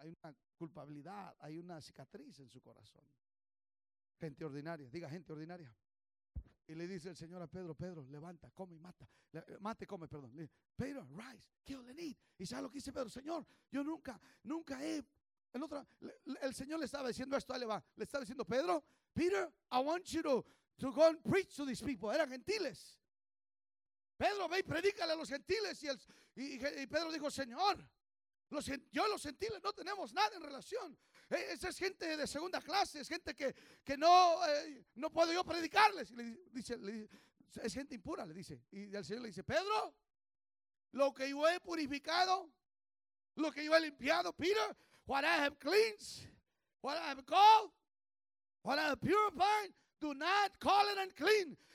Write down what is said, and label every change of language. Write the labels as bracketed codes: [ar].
[es] Hay una culpabilidad, hay una cicatriz en su corazón. Gente ordinaria, diga gente ordinaria. Y le dice el Señor a Pedro: Pedro, levanta, come y mata. Le dice, Pedro, [en] rise, kill and eat. [es] Y sabe lo que dice Pedro: Señor, yo nunca, nunca he. El Señor le estaba diciendo esto a Eva. Le estaba diciendo: Pedro, [en] Peter, I want you to go and preach to these people. [es] Eran gentiles. Pedro, ve y predícale a los gentiles. Y Pedro dijo: Señor, yo y los gentiles no tenemos nada en relación. Esa es gente de segunda clase, es gente que no, no puedo yo predicarles. Y le dice, es gente impura, le dice. Y el Señor le dice: Pedro, lo que yo he purificado, lo que yo he limpiado, [en] Peter, what I have cleansed, what I have called, what I have purified, do not call it unclean.